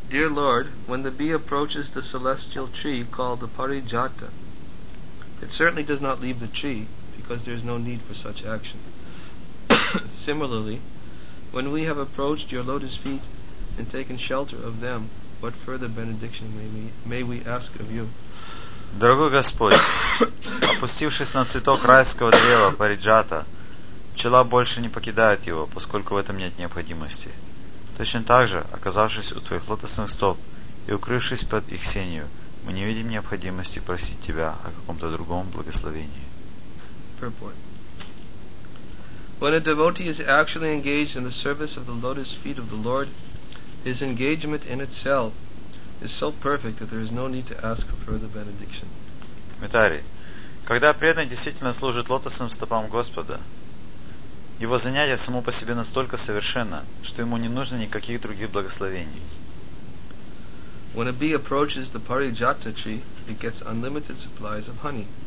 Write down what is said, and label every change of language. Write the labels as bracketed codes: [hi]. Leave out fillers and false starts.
[en] Dear Lord, when the bee approaches the celestial tree called the Parijata, it certainly does not leave the tree, because there is no need for such action. Similarly, when we have approached your lotus feet and taken shelter of them, what further benediction may we ask of you? [ru] Дорогой Господь, опустившись на цветок райского древа Париджата, пчела больше не покидает его, поскольку в этом нет необходимости. Точно так же, оказавшись у твоих лотосных стоп и укрывшись под их сенью, мы не видим необходимости просить тебя о каком-то другом благословении. [en] When a devotee is actually engaged in the service of the lotus feet of the Lord, his engagement in itself is so perfect that there is no need to ask for further benediction. [ru] Митари, когда преданный действительно служит лотосным стопам Господа, его занятие само по себе настолько совершенно, что ему не нужно никаких других благословений. [en] When a bee approaches the Parijata tree, it gets unlimited supplies of honey.